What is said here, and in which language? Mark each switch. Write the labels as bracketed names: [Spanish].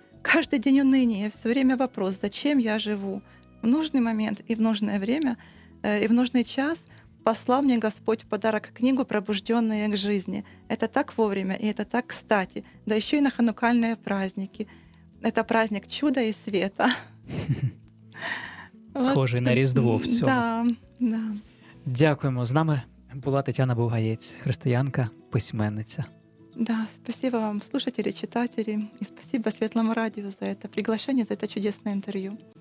[Russian] Каждый день уныние, все время вопрос, зачем я живу? В нужный момент и в нужное время, и в нужный час послал мне Господь в подарок книгу «Пробужденные к жизни». Это так вовремя и это так кстати. Да еще и на ханукальные праздники. Это праздник чуда и света. [Ukrainian] Схожий на Різдво в цьому. [Russian] Да, да. [Ukrainian] Дякуємо. З нами була Тетяна Бугаєць, християнка, письменниця. [Russian] Да, спасибо вам, слушатели, читатели. И спасибо Светлому радио за это приглашение, за это чудесное интервью.